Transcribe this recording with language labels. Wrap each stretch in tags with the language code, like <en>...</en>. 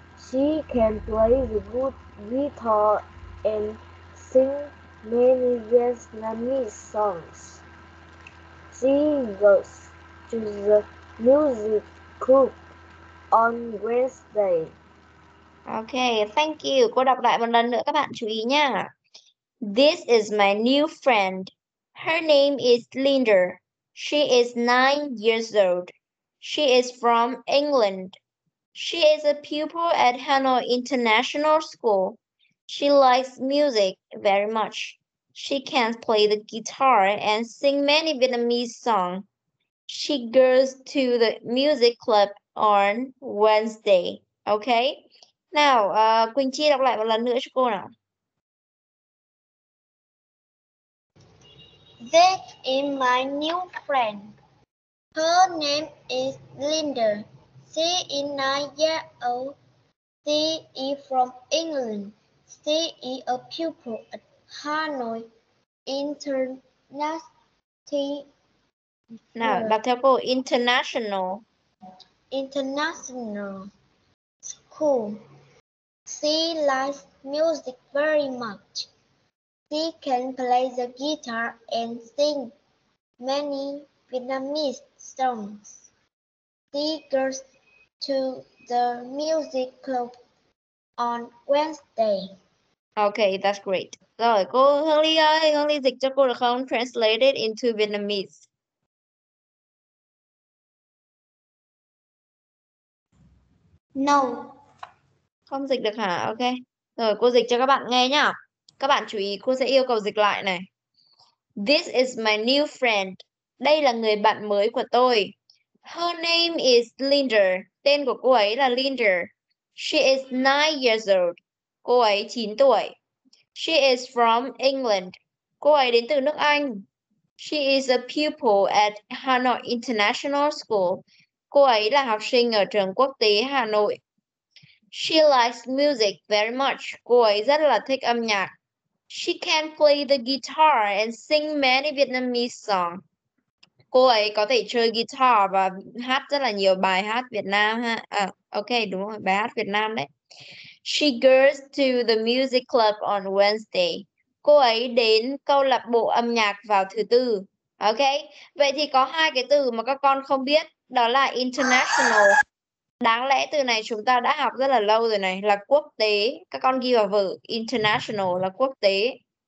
<en>She can play the guitar and sing many Vietnamese songs. She goes to the music club on Wednesday. Ok, thank you.</en> <vi>Cô đọc lại một lần nữa các bạn chú ý nha.</vi> <en>This is my new friend. Her name is Linda. She is 9 years old. She is from England. She is a pupil at Hanoi International School. She likes music very much. She can play the guitar and sing many Vietnamese songs. She goes to the music club on Wednesday, okay?</en> <vi>Nào, Quỳnh Chi đọc lại một lần nữa cho cô nào.</vi> <en>This is my new friend. Her name is Linda. She is 9 years old. She is from England. She is a pupil at Hanoi International School. She likes music very much. She can play the guitar and sing many Vietnamese songs. She goes to the music club on Wednesday. Okay, that's great.</en> <vi>Rồi, cô Hương Ly ơi, Hương Ly dịch cho cô được không?</vi> <en>Translate it into Vietnamese. No.</en> <vi>Không dịch được hả? Ok. Rồi, cô dịch cho các bạn nghe nhá. Các bạn chú ý, cô sẽ yêu cầu dịch lại này.</vi> <en>This is my new friend.</en> <vi>Đây là người bạn mới của tôi.</vi> <en>Her name is Linda.</en> <vi>Tên của cô ấy là Linda.</vi> <en>She is 9 years old.</en> <vi>Cô ấy 9 tuổi.</vi> <en>She is from England.</en> <vi>Cô ấy đến từ nước Anh.</vi> <en>She is a pupil at Hanoi International School.</en> <vi>Cô ấy là học sinh ở trường quốc tế Hà Nội.</vi> <en>She likes music very much.</en> <vi>Cô ấy rất là thích âm nhạc.</vi> <en>She can play the guitar and sing many Vietnamese songs.</en> <vi>Cô ấy có thể chơi guitar và hát rất là nhiều bài hát Việt Nam ha. À, ok, đúng rồi, bài hát Việt Nam đấy.</vi> <en>She goes to the music club on Wednesday.</en> <vi>Cô ấy đến câu lạc bộ âm nhạc vào thứ tư. Ok, vậy thì có hai cái từ mà các con không biết. Đó là international. Đáng lẽ từ này chúng ta đã học rất là lâu rồi này. Là quốc tế. Các con ghi vào vở. International là quốc tế.</vi>